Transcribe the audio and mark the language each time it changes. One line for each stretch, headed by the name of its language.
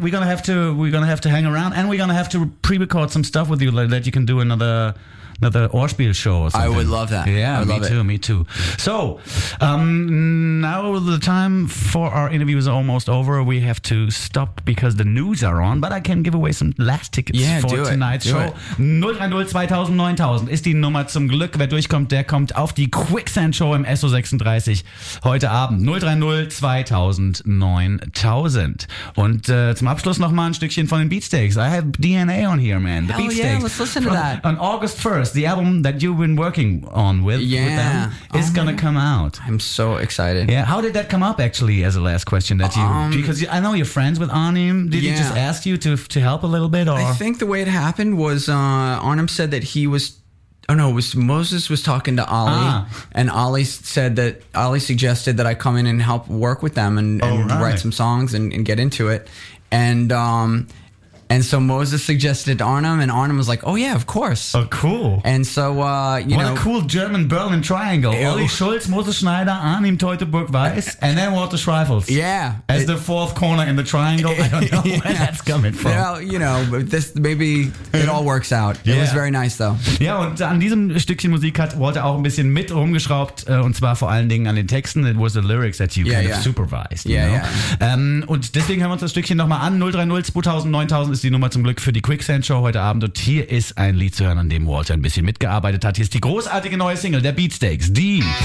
English: We're going to have to hang around, and we're going to have to pre-record some stuff with you that you can do another Orspiel show or something. I would love that. Yeah, me too. So now the time for our interview is almost over. We have to stop because the news are on, but I can give away some last tickets for tonight's show.
German: 030-2000-9000 ist die Nummer zum Glück. Wer durchkommt, der kommt auf die Quicksand Show im SO36 heute Abend. 030-2000-9000. Und zum Abschluss nochmal ein Stückchen von den Beatsteaks.
English: I have DNA on here, man. The Beatsteaks. Yeah, let's listen to that. On August 1st. first, the album that you've been working on with them is going to come out. I'm so excited. Yeah. How did that come up, actually, as a last question? Because I know you're friends with Arnim. Did he just ask you to help a little bit? Or? I think the way it happened was Arnim said that he was... Oh, no, it was Moses was talking to Ollie, and Ollie suggested that I come in and help work with them and write some songs and get into it. And so Moses suggested Arnim, and Arnim was like, oh, yeah, of course. Oh, cool. And so, you know. What a cool German-Berlin triangle. Ollie Schulz, Moses Schneider, Arnim Teutoburg-Weiss, and then Walter Schreifels. Yeah. The fourth corner in the triangle. I don't know where that's coming from. Well, you know, maybe it all works out. Yeah. It was very nice, though.
German: Ja, und an diesem Stückchen Musik hat Walter auch ein bisschen mit rumgeschraubt, und zwar vor allen Dingen an den Texten.
English: It was the lyrics that you kind of supervised.
German: Und deswegen hören wir uns das Stückchen nochmal an. 030-2000-9000 ist die Nummer zum Glück für die Quicksand Show heute Abend, und hier ist ein Lied zu hören, an dem Walter ein bisschen mitgearbeitet hat. Hier ist die großartige neue Single der Beatsteaks, die